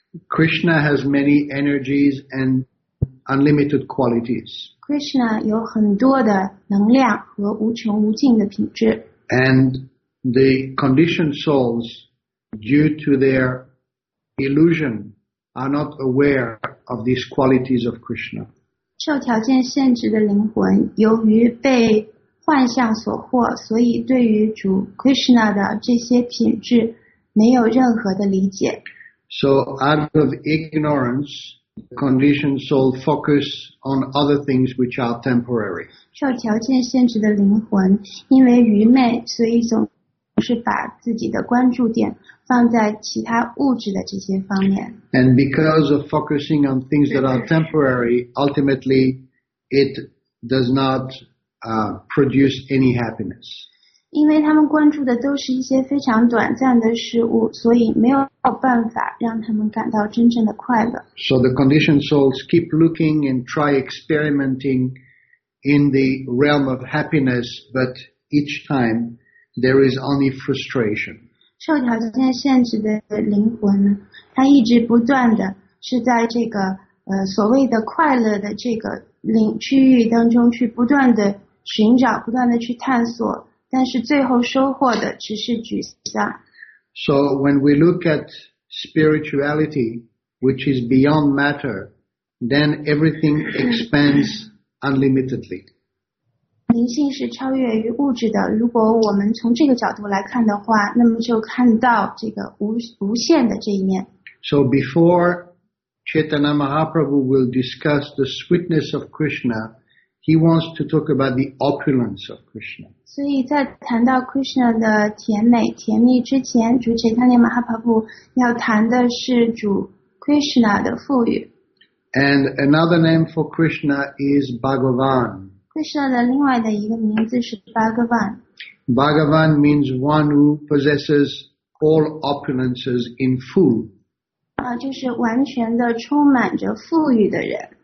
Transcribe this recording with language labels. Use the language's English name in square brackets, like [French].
[English] Krishna has many energies and unlimited qualities. [Chinese] Krishna 有很多的能量和无穷无尽的品质。 [English] And the conditioned souls, due to their illusion, are not aware of these qualities of Krishna. [Chinese] 受条件限制的灵魂，由于被幻象所惑，所以对于主 Krishna 的这些品质没有任何的理解。 [English] So out of ignorance, the conditioned soul focus on other things which are temporary. [Chinese] 受条件限制的灵魂因为愚昧所以总是把自己的关注点放在其他物质的这些方面。 [English] And because of focusing on things that are temporary, ultimately it does not, produce any happiness. [Chinese] 因为他们关注的都是一些非常短暂的事物所以没有办法让他们感到真正的快乐。 [English] So the conditioned souls keep looking and try experimenting in the realm of happiness, but each time there is only frustration. [Chinese] 受条件限制的灵魂呢，他一直不断的是在这个所谓的快乐的这个区域当中去不断的寻找，不断的去探索，但是最后收获的只是沮丧。 [English] So when we look at spirituality, which is beyond matter, then everything expands unlimitedly. [Chinese] 灵性是超越于物质的。如果我们从这个角度来看的话，那么就看到这个无限的这一面。 [English] So before Chaitanya Mahaprabhu will discuss the sweetness of Krishna, he wants to talk about the opulence of Krishna. [Chinese] 所以在谈到 Krishna 的甜美甜蜜之前主 Chaitanya Mahaprabhu 要谈的是主 Krishna 的富裕 [English] And another name for Krishna is Bhagavan. [Chinese] Krishna 的另外的一个名字是 Bhagavan. [English] Bhagavan means one who possesses all opulences in full. [Chinese] 就是完全的充满着富裕的人